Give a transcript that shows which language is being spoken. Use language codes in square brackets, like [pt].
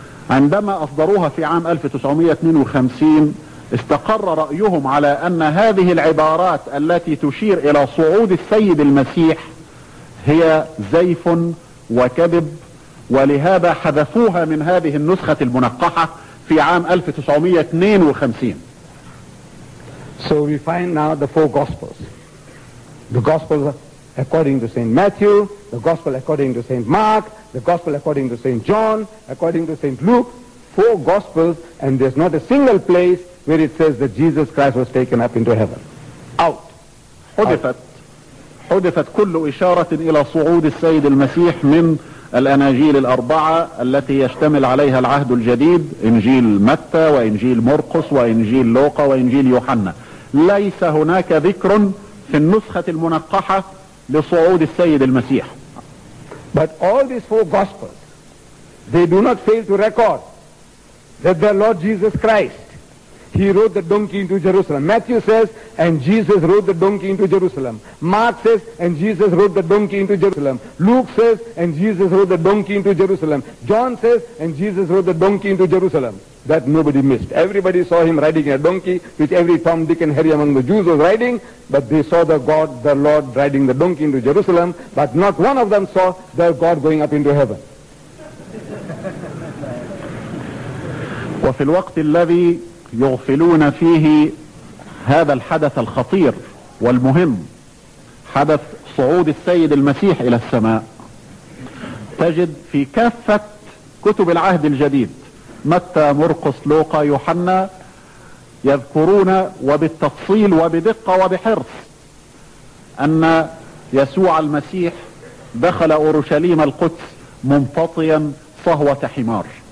[ar] عندما أصدروها في عام 1952 استقر رأيهم على أن هذه العبارات التي تشير إلى صعود السيد المسيح هي زيف وكذب، ولهذا حذفوها من هذه النسخة المنقحة في عام 1952. [en] So we find now the four Gospels. The Gospel according to Saint Matthew, the Gospel according to Saint Mark, the Gospel according to Saint John, according to Saint Luke, four Gospels, and there's not a single place where it says that Jesus Christ was taken up into heaven. Out. حذفت كل إشارة إلى صعود السيد المسيح من الأناجيل الأربعة التي يشتمل عليها العهد الجديد، إنجيل متى وإنجيل مرقس وإنجيل لوقا وإنجيل يوحنا. ليس هناك ذكر في النسخة المنقحة لصعود السيد المسيح. But all these four gospels, they do not fail to record that the Lord Jesus Christ, he rode the donkey into Jerusalem. Matthew says, and Jesus rode the donkey into Jerusalem. Mark says, and Jesus rode the donkey into Jerusalem. Luke says, and Jesus rode the donkey into Jerusalem. John says, and Jesus rode the donkey into Jerusalem. That nobody missed. Everybody saw him riding a donkey, which every Tom, Dick, and Harry among the Jews was riding, but they saw the God, the Lord, riding the donkey into Jerusalem, but not one of them saw their God going up into heaven. [ar] وفي الوقت الذي يغفلون فيه هذا الحدث الخطير والمهم، حدث صعود السيد المسيح إلى السماء، تجد في كافة كتب العهد الجديد متى مرقس لوقا يوحنا يذكرون وبالتفصيل وبدقة وبحرص أن يسوع المسيح دخل أورشليم القدس منفطيا صهوة حمار.